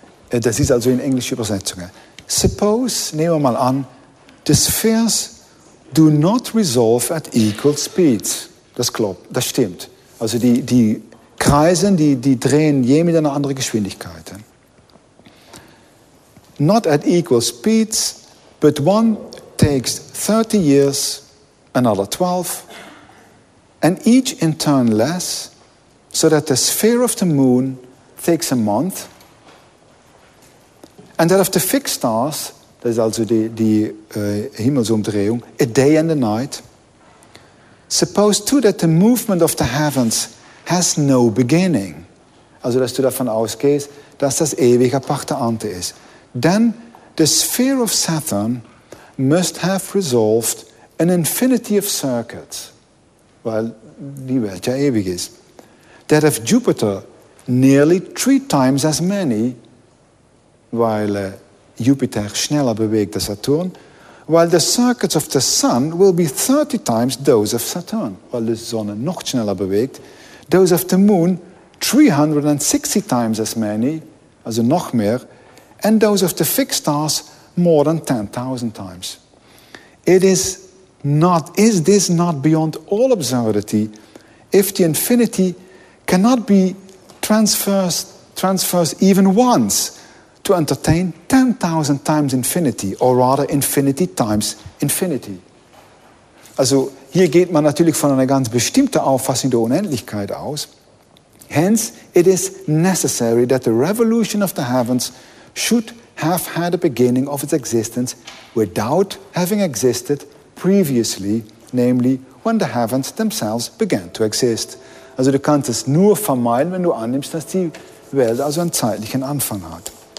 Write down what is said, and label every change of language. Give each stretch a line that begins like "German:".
German: Das ist also in englischer Übersetzung.
English: Suppose,
German: nehmen wir mal an,
English: the spheres do not resolve at equal speeds.
German: Das klappt, das stimmt. Also die Kreisen, die drehen je mit einer anderen Geschwindigkeit.
English: Not at equal speeds, but one takes 30 years, another 12, and each in turn less, so that the sphere of the moon takes a month, and that of the fixed stars,
German: das ist also die Himmelsumdrehung,
English: a day and a night. Suppose too that the movement of the heavens has no beginning.
German: Also dass du davon ausgehst, dass das ewig aparte Ante ist.
English: Then the sphere of Saturn must have resolved an infinity of circuits.
German: Weil die Welt ja ewig ist.
English: That of Jupiter nearly 3 times as many,
German: weil Jupiter schneller bewegt als Saturn,
English: while the circuits of the Sun will be 30 times those of Saturn,
German: weil die Sonne noch schneller bewegt,
English: those of the Moon 360 times as many,
German: also noch mehr,
English: and those of the fixed stars more than 10,000 times. Is this not beyond all absurdity if the infinity cannot be transfers even once to entertain 10,000 times infinity, or rather infinity times infinity.
German: Also hier geht man natürlich von einer ganz bestimmten Auffassung der Unendlichkeit aus.
English: Hence, it is necessary that the revolution of the heavens should have had a beginning of its existence without having existed previously, namely when the heavens themselves began to exist.
German: Also du kannst es nur vermeiden, wenn du annimmst, dass die Welt also einen zeitlichen Anfang hat.